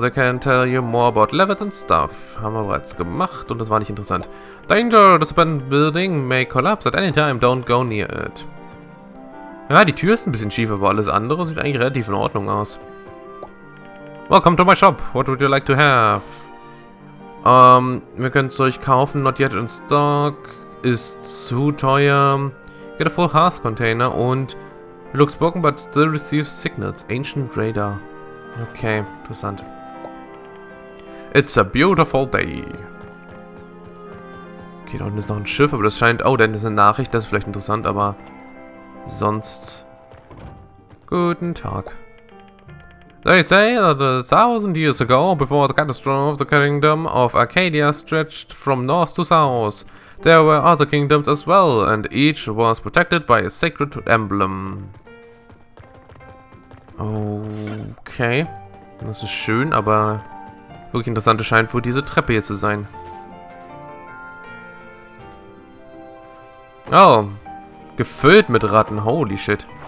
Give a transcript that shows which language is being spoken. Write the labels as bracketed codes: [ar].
[en] They can tell you more about levels and stuff. [de] Haben wir bereits gemacht und das war nicht interessant. [en] Danger! This abandoned building may collapse at any time. Don't go near it. [de] Ja, die Tür ist ein bisschen schief, aber alles andere sieht eigentlich relativ in Ordnung aus. [en] Welcome to my shop. What would you like to have? [de] Wir können es euch kaufen. [en] Not yet in stock. [de] Ist zu teuer. [en] Get a full hearth container und... Looks broken, but still receives signals. Ancient radar. [de] Okay, interessant. [en] It's a beautiful day. [de] Okay, da unten ist noch ein Schiff, aber das scheint... Oh, da ist eine Nachricht. Das ist vielleicht interessant, aber... Sonst. Guten Tag. [en] They say that a thousand years ago, before the catastrophe, the kingdom of Arcadia stretched from north to south. There were other kingdoms as well, and each was protected by a sacred emblem. Okay. [de] Das ist schön, aber wirklich interessant scheint wohl diese Treppe hier zu sein. Oh. Gefüllt mit Ratten, [en] holy shit.